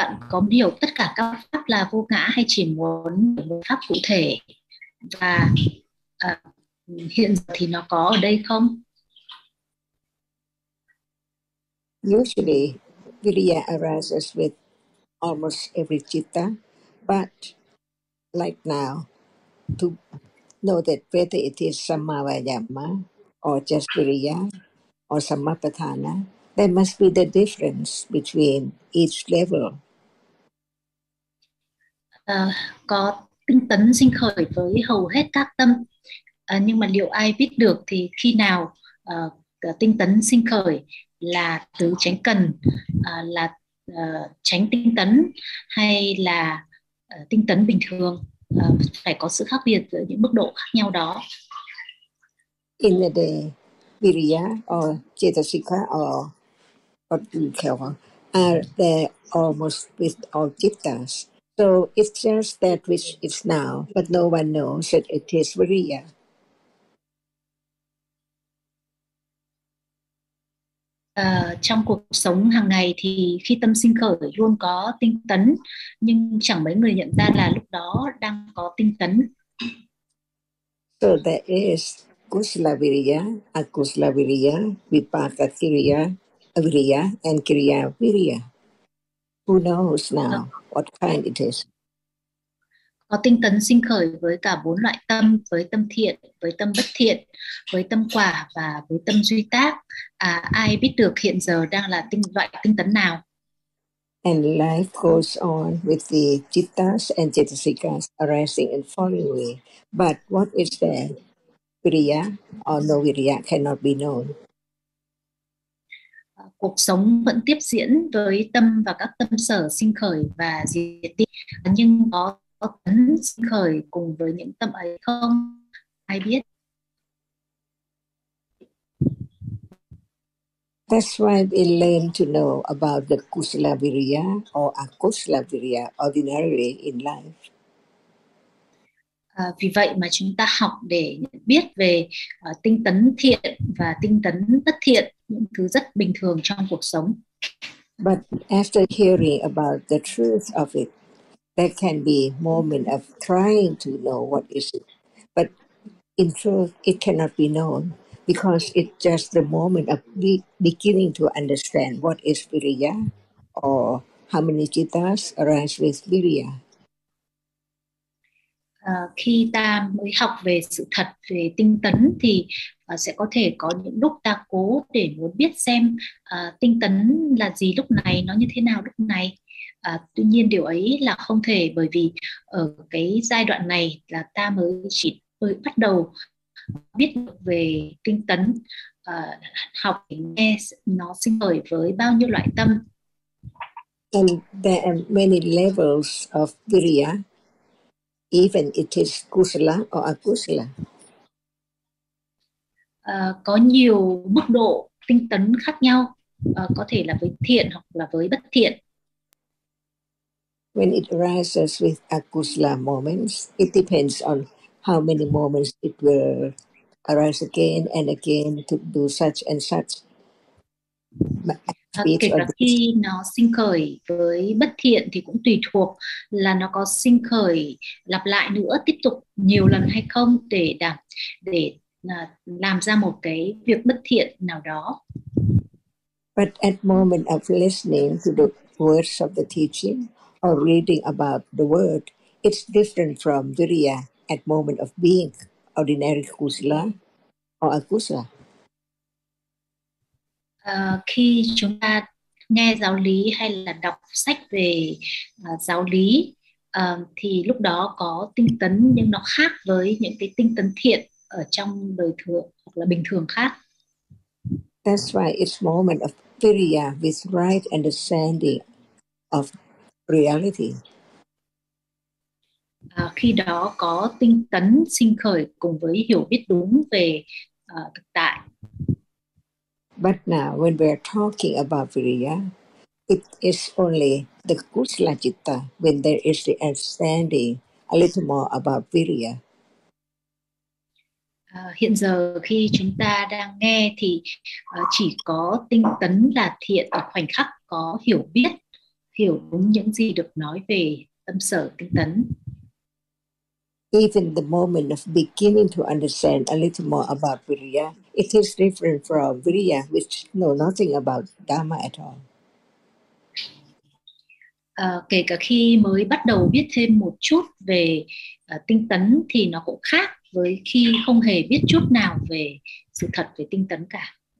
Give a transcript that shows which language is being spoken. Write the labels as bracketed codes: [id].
[vi] Có hiểu tất cả các pháp là vô ngã hay chỉ muốn một pháp cụ thể và hiện giờ thì nó có ở đây không? [en] Usually, Virya arises with almost every citta, but like now, to know that whether it is sammavayama or just virya or sammapatthana, there must be the difference between each level. [vi] Có tinh tấn sinh khởi với hầu hết các tâm, nhưng mà liệu ai biết được thì khi nào tinh tấn sinh khởi là tứ chánh cần, là chánh tinh tấn hay là tinh tấn bình thường, phải có sự khác biệt giữa những mức độ khác nhau đó. [en] In the day, virya or cetasika or what you call are there almost with all cittas. So it's just that which is now, but no one knows that it is virya. [vi] Trong cuộc sống hàng ngày thì khi tâm sinh khởi luôn có tinh tấn, nhưng chẳng mấy người nhận ra là lúc đó đang có tinh tấn. [en] So there is kusala virya, akusala virya, vipaka kriya, virya and kriya virya. Who knows now what kind it is? [vi] Có tinh tấn sinh khởi với cả bốn loại tâm, với tâm thiện, với tâm bất thiện, với tâm quả và với tâm duy tác. Ai biết được hiện giờ đang là loại tinh tấn nào? [en] And life goes on with the cittas and cetasikas arising and falling away. But what is there? Virya or no virya cannot be known. [vi] Cuộc sống vẫn tiếp diễn với tâm và các tâm sở sinh khởi và diệt đi, nhưng có có tấn sinh khởi cùng với những tâm ấy không? Ai biết? [en] That's why we learn to know about the Kusala Virya or Akusala Virya ordinarily in life. [vi] Vì vậy mà chúng ta học để biết về tinh tấn thiện và tinh tấn bất thiện, những thứ rất bình thường trong cuộc sống. [en] But after hearing about the truth of it, there can be moment of trying to know what is it. But in truth, it cannot be known because it's just the moment of beginning to understand what is viriya or how many jitas arise with viriya. [vi] Khi ta mới học về sự thật về tinh tấn thì sẽ có thể có những lúc ta cố để muốn biết xem tinh tấn là gì lúc này, nó như thế nào lúc này. Tuy nhiên điều ấy là không thể, bởi vì ở cái giai đoạn này là ta mới bắt đầu biết được về tinh tấn, học để nghe nó sinh khởi với bao nhiêu loại tâm. [en] And there are many levels of viriya. Even it is kusala or akusala. [vi] Có nhiều mức độ tinh tấn khác nhau, có thể là với thiện hoặc là với bất thiện. [en] When it arises with akusala moments, it depends on how many moments it will arise again and again to do such and such. [vi] Kể cả khi nó sinh khởi với bất thiện thì cũng tùy thuộc là nó có sinh khởi lặp lại nữa, tiếp tục nhiều lần hay không để làm ra một cái việc bất thiện nào đó. [en] But at moment of listening to the words of the teaching or reading about the word, it's different from viriya at moment of being ordinary kusala or akusala. [vi] Khi chúng ta nghe giáo lý hay là đọc sách về giáo lý thì lúc đó có tinh tấn, nhưng nó khác với những cái tinh tấn thiện ở trong đời thường hoặc là bình thường khác. [en] That's why it's moment of viriya with right understanding of reality. [vi] Khi đó có tinh tấn sinh khởi cùng với hiểu biết đúng về thực tại. [en] But now, when we are talking about viriya, it is only the kusala citta when there is the understanding a little more about viriya. [vi] Hiện giờ khi chúng ta đang nghe thì chỉ có tinh tấn là thiện ở khoảnh khắc có hiểu biết, hiểu đúng những gì được nói về tâm sở tinh tấn. [en] Even the moment of beginning to understand a little more about viriya, it is different from viriya which know nothing about dharma at all. [vi] Kể cả khi mới bắt đầu biết thêm một chút về tinh tấn thì nó cũng khác với khi không hề biết chút nào về sự thật về tinh tấn cả.